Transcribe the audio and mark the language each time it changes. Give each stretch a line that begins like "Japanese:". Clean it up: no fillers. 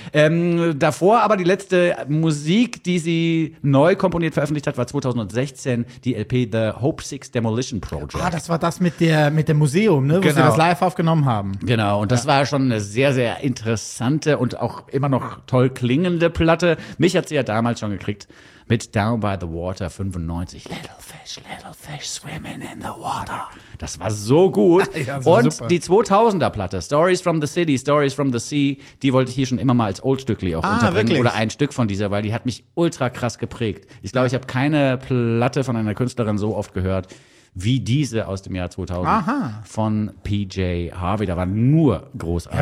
German: Davor aber die letzte Musik, die sie neu komponiert veröffentlicht hat, war 2016 die LP The Hope Six Demolition Project. Ah, das war das mit dem Museum, ne, wo sie das live aufgenommen haben. Genau, und das war schon eine sehr, sehr interessante und auch immer noch toll klingende Platte. Mich hat sie ja damals schon schon gekriegt mit Down by the Water 95.
English: Little fish swimming in the water.
German: Das war so gut. Ja, und super. Die 2000er Platte, Stories from the City, Stories from the Sea, die wollte ich hier schon immer mal als Oldstückli auch unterbringen. Wirklich? Oder ein Stück von dieser, weil die hat mich ultra krass geprägt. Ich glaube, ich habe keine Platte von einer Künstlerin so oft gehört wie diese aus dem Jahr 2000. Aha. Von PJ Harvey. Da waren nur großartige